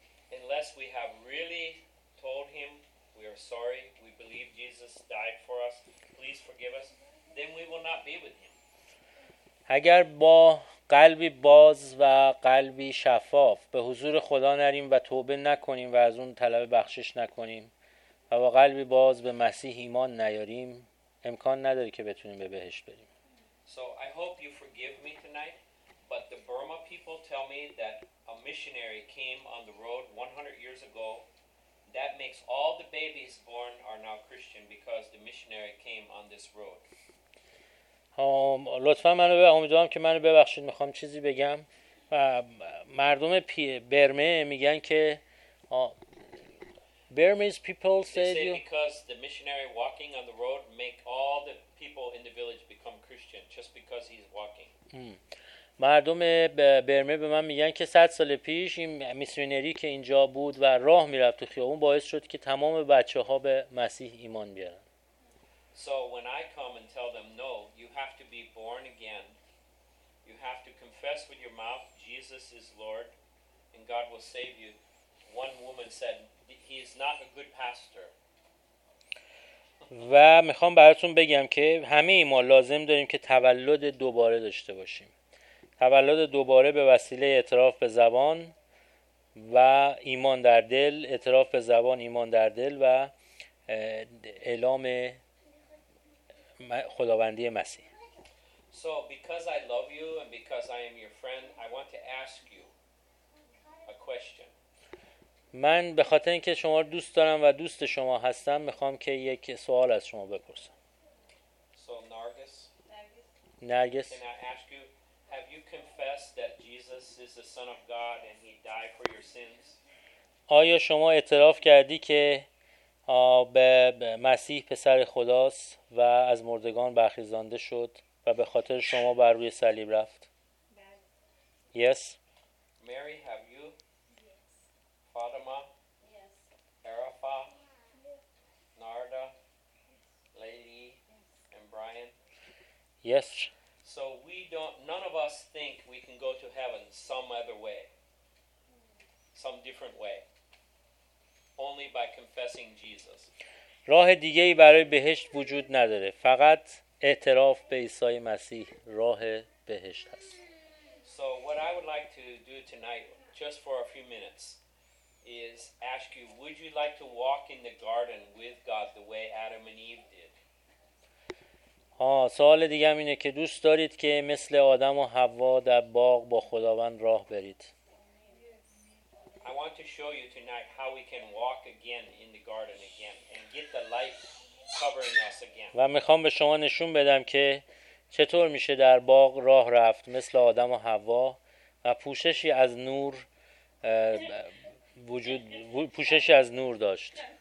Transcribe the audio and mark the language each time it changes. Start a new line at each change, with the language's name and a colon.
English: Unless we have really told him we are sorry, we believe Jesus died for us, please forgive us, then we will not be with him.
Persian: اگر با قلبی باز و قلبی شفاف به حضور خدا نریم و توبه نکنیم و از اون طلب بخشش نکنیم و با قلبی باز به مسیح ایمان نیاریم، امکان نداره که بتونیم به بهشت بریم.
English: So I hope you forgive me tonight. But the Burma people tell me that a missionary came on the road 100 years ago. That makes all the babies born are now Christian because the missionary came on this road.
Persian: لطفاً منو ببخشید، امیدوارم که منو ببخشید، میخوام چیزی بگم. و مردم برمه میگن که
English: Burmese people say because the missionary walking on the road make all the people in the village become Christian just because he's walking.
Persian: مردم برمه به من میگن که 100 سال پیش این میسیونری که اینجا بود و راه میرفت تو خیابون باعث شد که تمام بچه‌ها به مسیح ایمان بیارن.
English: So when I come and tell them no, you have to be born again. You have to confess with your mouth Jesus is Lord and God will save you. One woman said he is not a good pastor.
Persian: و میخوام براتون بگم که همه ما لازم داریم که تولد دوباره داشته باشیم. تولد دوباره به وسیله اعتراف به زبان و ایمان در دل، اعتراف به زبان، ایمان در دل و اعلام خداوندی مسیح.
English: So because I love you and because I am your friend, I want to ask you a question.
Persian: من به خاطر اینکه شما رو دوست دارم و دوست شما هستم میخوام که یک سوال از شما بپرسم.
English: So Nargis. Nargis. Can I ask you, have you confessed that Jesus is the Son of God and he died for your sins?
Persian: آیا شما اعتراف کردی که به مسیح پسر خداست و از مردگان برخیزانده شد و به خاطر شما بر روی صلیب رفت؟ بله.
English: Yes. Mary, have you? Yes. Fatima? Yes. Arafa? Yes. Narda? Lady? Yes. And Brian? Yes. So we don't, none of us think we can go to heaven some other way. Some different way. Only by confessing Jesus.
Persian: راه دیگه‌ای برای بهشت وجود نداره. فقط اعتراف به عیسی مسیح راه بهشت است.
English: So what I would like to do tonight, just for a few minutes, is ask you, would you like to walk in the garden with God the way Adam and Eve did?
Persian: سوال دیگه اینه که دوست دارید که مثل آدم و حوا در باغ با خداوند راه برید.
English: I want to show you tonight how we can walk again in the garden again and get the life covering us again.
Persian: و میخوام به شما نشون بدم که چطور میشه در باغ راه رفت مثل آدم و حوا و پوششی از نور وجود پوششی از نور داشت.